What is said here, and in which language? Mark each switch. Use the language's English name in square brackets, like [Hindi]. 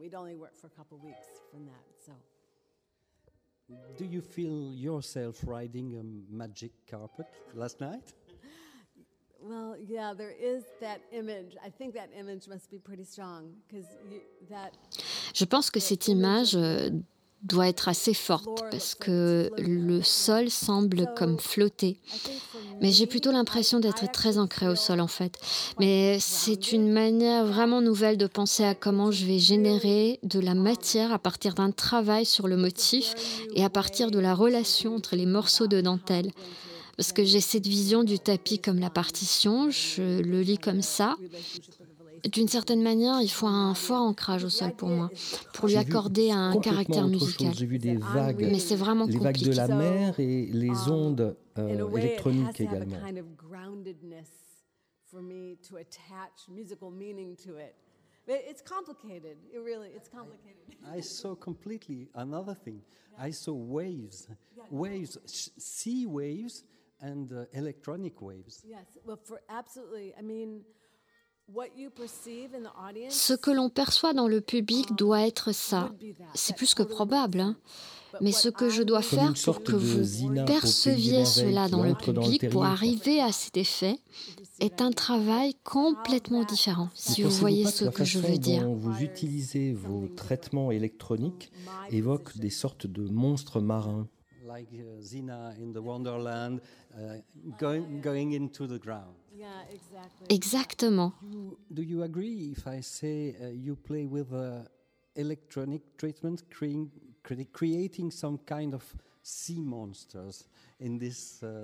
[English] We'd only worked for a couple weeks from that. So do you feel yourself riding a magic carpet last night? Well, yeah, there is that image. I think that image must be pretty strong because that [French] je pense que cette image doit être assez forte parce que le sol semble comme flotter. Mais j'ai plutôt l'impression d'être très ancrée au sol en fait. Mais c'est une manière vraiment nouvelle de penser à comment je vais générer de la matière à partir d'un travail sur le motif et à partir de la relation entre les morceaux de dentelle. Parce que j'ai cette vision du tapis comme la partition, je le lis comme ça. D'une certaine manière, il faut un fort ancrage au sol pour moi, pour lui accorder un caractère musical. J'ai vu des vagues, mais c'est vraiment compliqué. Les vagues de la mer et les ondes électroniques également. Il y a une sorte de groundedness pour moi pour attacher un sens musical. [English] But it's complicated. It really, it's complicated. I saw completely another thing. I saw waves, waves, sea waves, and electronic waves. Yes, well, for absolutely. I mean, what you perceive in the audience. [French] Ce que l'on perçoit dans le public doit être ça. C'est plus que probable, hein. Mais ce que je dois faire pour que vous perceviez cela dans le public, pour arriver à cet effet, est un travail complètement différent, si vous voyez ce que je veux dire. Vous utilisez vos traitements électroniques évoque des sortes de monstres marins. [English] Like Zina in the Wonderland, going into the ground. [French] Exactement. [English] Do you agree if I say you play with a electronic treatment creating some kind of sea monsters in this